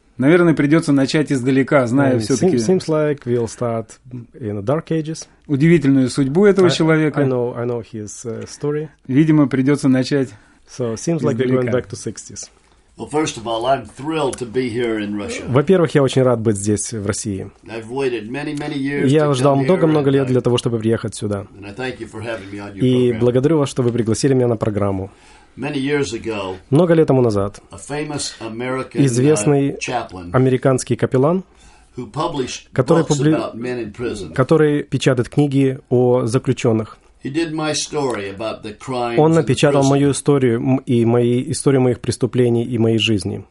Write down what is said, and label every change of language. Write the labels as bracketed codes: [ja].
[ru] Наверное, придется начать издалека, зная все-таки [en] seems like we'll start in the dark ages. [ru] Удивительную судьбу этого человека. [en] I know his story. [ru] Видимо, придется начать [en] so seems издалека. Like we're going back to 60s. Well, first of all, I'm thrilled to be here in Russia. [ru] Во-первых, я очень рад быть здесь, в России. [en] I've waited many years. [ru] Я ждал много лет для того, чтобы приехать сюда. [en] And I thank you for having me on your program. [ru] И благодарю вас, что вы пригласили меня на программу. [en] Many years ago. [ru] Много лет тому назад. [en] A famous American chaplain. [ru] Американский капеллан. [en] Who published books about men in prison. [ru] Который печатает книги о заключенных. [en] He did my story about the crimes. [ru] Он напечатал мою историю и историю моих преступлений и моей жизни.